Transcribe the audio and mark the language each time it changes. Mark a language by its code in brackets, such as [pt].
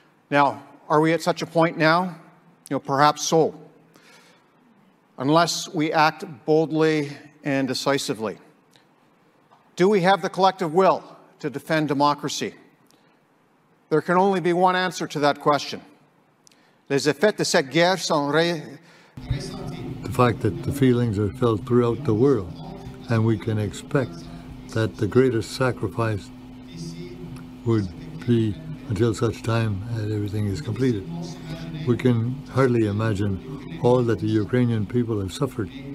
[en] Now, are we at such a point now? Perhaps so. Unless we act boldly and decisively. Do we have the collective will to defend democracy? There can only be one answer to that question. [fr] Les effets de cette guerre sont ressentis. [en] The fact that the feelings are felt throughout the world, and we can expect that the greatest sacrifice would be until such time as everything is completed. We can hardly imagine all that the Ukrainian people have suffered.